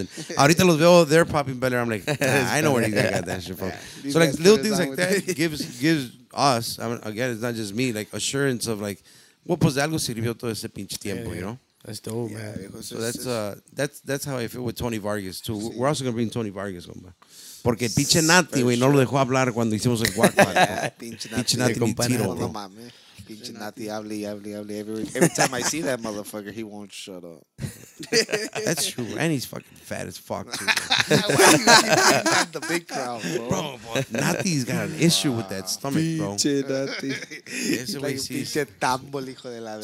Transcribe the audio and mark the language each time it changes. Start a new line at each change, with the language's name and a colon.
English: And
Spanish: ahorita los veo,
English: they're popping Bel Air. I'm like, I know where these guys got that shit from. So, like, little things like that gives us, I mean, again, it's not just me, like, assurance of, like, what was
Spanish: algo sirvió todo ese pinche tiempo,
English: you know? That's dope, man. Yeah, so, that's how I feel with Tony Vargas, too. Sí. We're also going to bring Tony Vargas, compa.
Spanish: Porque pinche Nati, güey, no lo dejó hablar cuando hicimos el guacuaco. Pinche Nati, ni tiro, bro. Pinche Nati, hable.
English: Every time I see that motherfucker, he won't shut up. That's true. And he's fucking fat as fuck, too. The big crowd, bro. Nati's got an issue with that stomach, bro.
Spanish: Pinche Nati. Pinche tambol, hijo de la verga.